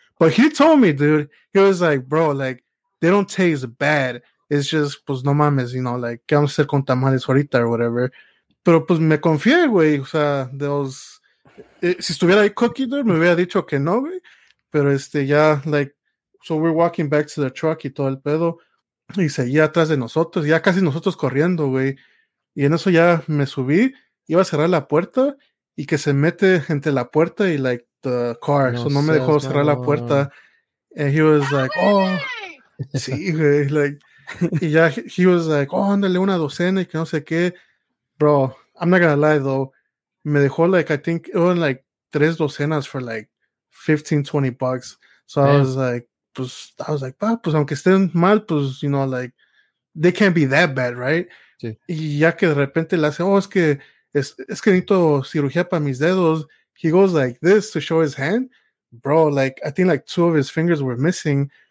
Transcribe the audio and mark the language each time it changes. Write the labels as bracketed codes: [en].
[en] But he told me, dude, he was like, bro, like, they don't taste bad. It's just, [es] pues, no mames, [en] you know, like, [es] ¿qué vamos a hacer con tamales ahorita [en] or whatever? [es] Pero, pues, me confié, güey, o sea, si estuviera ahí Cookie, dude, me hubiera dicho que no, güey. Pero, ya, like, [en] so we're walking back to the truck [es] y todo el pedo, y seguía atrás de nosotros, ya casi nosotros corriendo, güey. Y en eso ya me subí, iba a cerrar la puerta, y que se mete entre la puerta y, like, [en] the car. [es] No, so no me dejó cerrar la puerta. [en] And he was like, [es] oh, sí, güey, like, y ya [en] he was like, [es] oh, ándale una docena y que no sé qué. [en] Bro, I'm not gonna lie, though, [es] me dejó, [en] like, I think it was, like, 3 docenas for, like, 15, 20 bucks. So damn. I was like, bah, [es] pues aunque estén mal, pues, [en] you know, like, they can't be that bad, right? [es] Sí. Y ya que de repente le hace, oh, es que necesito cirugía para mis dedos. [en] He goes like this to show his hand. Bro, like, I think like 2 of his fingers were missing.